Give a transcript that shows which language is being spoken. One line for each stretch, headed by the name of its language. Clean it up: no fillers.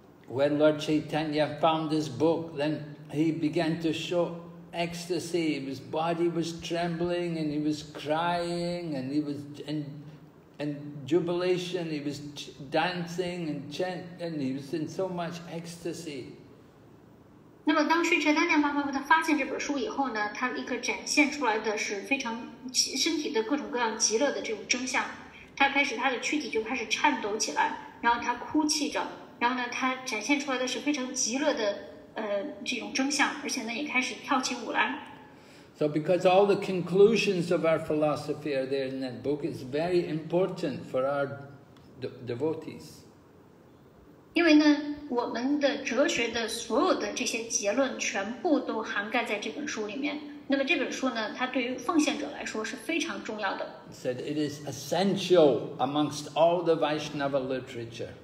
English: When Lord Chaitanya found this book, then he began to show ecstasy. His body was trembling, and he was crying, and he was in jubilation. He was dancing and chanting, and he was in so much ecstasy.
Chinese: 那么当时释迦牟尼佛他发现这本书以后呢，他立刻展现出来的是非常身体的各种各样极乐的这种征象。他开始他的躯体就开始颤抖起来，然后他哭泣着，然后呢，他展现出来的是非常极乐的这种征象，而且呢，也开始跳起舞来。
English: So because all the conclusions of our philosophy are there in that book, it's very important for our devotees.
Chinese: 因为呢，我们的哲学的所有的这些结论全部都涵盖在这本书里面。那么这本书呢，它对于奉献者来说是非常重要的。
English: Said it is essential amongst all the Vaishnava literature.